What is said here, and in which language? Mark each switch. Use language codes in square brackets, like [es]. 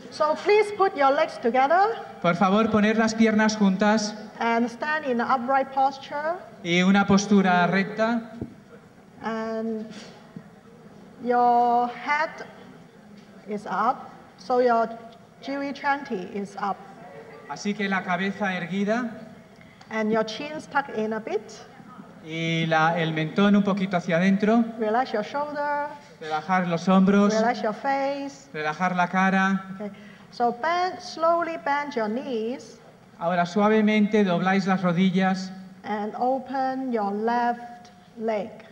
[en] So please put your legs together. [es] Por favor, poner las piernas juntas. [en] And stand in an upright posture. [es] Y una postura recta. [en] And your head is up, so your jiwi chanti is up. [es] Así que la cabeza erguida. [en] And your chin's tucked in a bit. [es] Y el mentón un poquito hacia adentro. [en] Relax your shoulder. [es] Relajar los hombros. [en] Relax your face. [es] Relajar la cara. [en] Okay. So bend, slowly bend your knees. [es] Ahora suavemente dobláis las rodillas. [en] And open your left leg.